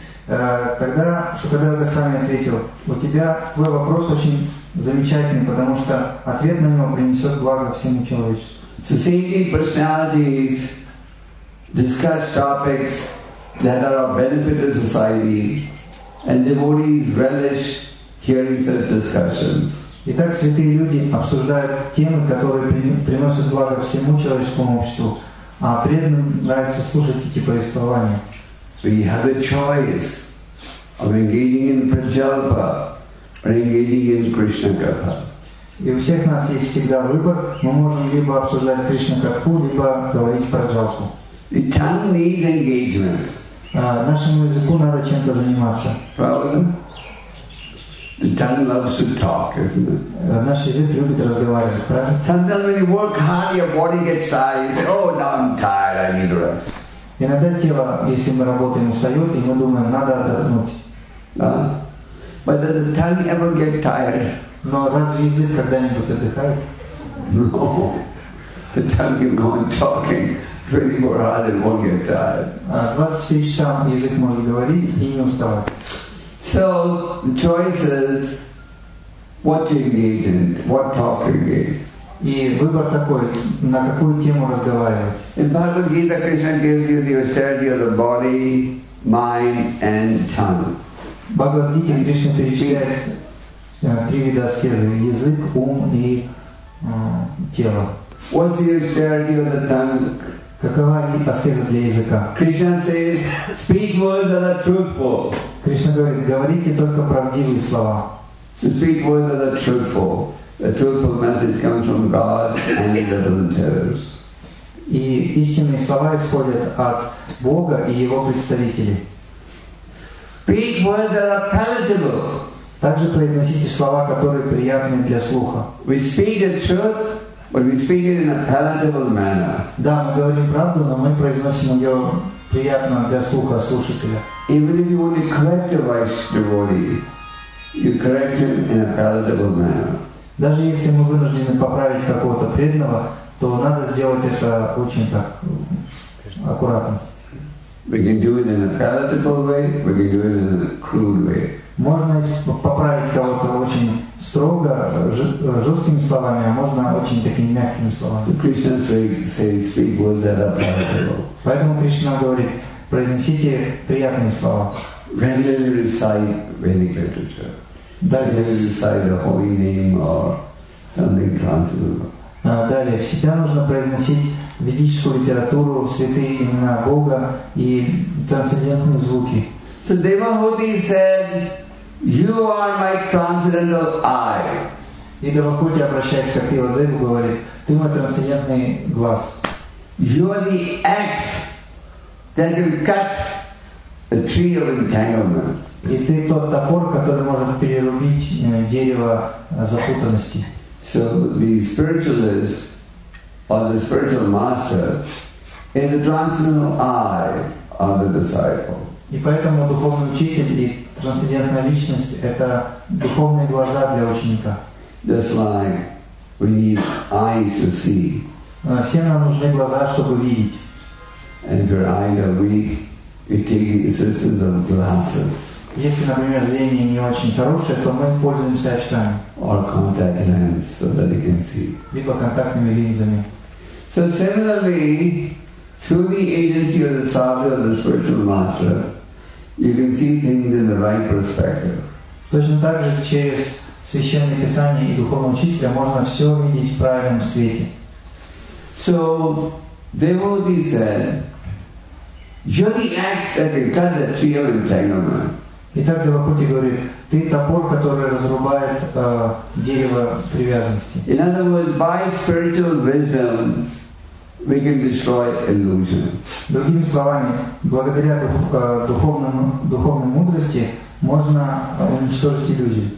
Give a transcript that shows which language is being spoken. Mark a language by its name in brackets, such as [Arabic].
[Russian] Тогда Шукадева Госвами ответил, "У тебя твой вопрос очень замечательный, потому что ответ на него принесет благо всему человечеству." [English] So saintly personalities discuss topics that are of benefit to society, and devotees relish hearing such discussions. [Russian] Итак, святые люди обсуждают темы, которые приносят благо всему человеческому обществу, а преданным нравится слушать эти повествования. [English] We have a choice of engaging in prajalpa or engaging in Krishna katha. [Russian] И у всех нас есть всегда выбор. Мы можем либо обсуждать Кришну Катху, либо говорить про джалпу. [English] The tongue needs engagement. [Russian] Нашему языку надо чем-то заниматься. Правда? [English] The tongue loves to talk, isn't it? [Russian] Наш язык любит разговаривать, правда? [English] Sometimes when you work hard, your body gets tired. Oh, now I'm tired, I need rest. [Russian] Иногда тело, если мы работаем, устает, и мы думаем, надо отдохнуть. [English] But does the tongue ever get tired? [Russian] Но разве язык когда-нибудь отдыхает? [English] No. The tongue can go on talking 24 hours and won't get tired. [Russian] 24 часа язык может говорить и не уставать. [English] So, the choice is what to engage in, what talk to engage. [Russian] И выбор такой, на какую тему разговаривать. [English] In Bhagavad Gita, Krishna gives you the austerity of the body, mind and tongue. [Russian] Bhagavad Gita, Krishna перечисляет три вида аскезы – язык, ум и тело. [English] What's the austerity of the tongue? [Russian] Какова аскеза для языка? [English] Krishna says, speak words that are truthful. [Russian] Кришна говорит, говорите только правдивые слова. [English] So speak words that are truthful. The truthful message comes from God and the representatives. [Russian] И истинные слова исходят от Бога и Его представителей. [English] Speak words that are palatable. [Russian] Также произносите слова, которые приятны для слуха. [English] We speak the truth, but we speak it in a palatable manner. [Russian] Да, мы говорим правду, но мы произносим ее приятно для слуха слушателя. [English] Even if you want to correct your devotee, you correct him in a palatable manner. [Russian] Даже если мы вынуждены поправить какого-то преданного, то надо сделать это очень так аккуратно. [English] We can do it in a palatable way, we can do it in a crude way. [Russian] Можно поправить кого-то очень строго, жесткими словами, а можно очень такими мягкими словами. [English] Krishna says, speak words that are palatable. [Russian] Поэтому Кришна говорит, произнесите приятные слова. [English] Regularly recite Vedic literature. Regularly recite the holy name or something transcendental. [Russian] Далее, всегда нужно произносить ведическую литературу, святые имена Бога и трансцендентные звуки. [English] So Devahuti said, "You are my transcendental eye." [Russian] И Девахути, обращаясь к Капиладеву, говорит, ты мой трансцендентный глаз. [English] You are the axe that can cut the tree of entanglement. [Russian] И ты тот топор, который может перерубить дерево запутанности. [English] So the spiritualist or the spiritual master is the transcendental eye of the disciple. [Russian] И поэтому духовный учитель и трансцендентная личность – это духовные глаза для ученика. [English] Just like we need eyes to see. [Russian] Всем нам нужны глаза, чтобы видеть. [English] And if your eyes are weak, you take the assistance of glasses. [Russian] Если, например, зрение не очень хорошее, то мы пользуемся очками. [English] Or contact lens so that you can see. [Russian] Либо контактными линзами. [English] So similarly, through the agency of the sadhu, the spiritual master, you can see things in the right perspective. [Russian] Точно так же через Священное Писание и Духовного Учителя можно все видеть в правильном свете. [English] So, devotee said, "You're the axe that can cut the tree of entanglement." [Russian] Итак, Девахути говорит, ты топор, который разрубает дерево привязанности. [English] In other words, by spiritual wisdom, we can destroy illusion. [Russian] Другими словами, благодаря духовной мудрости можно уничтожить иллюзии.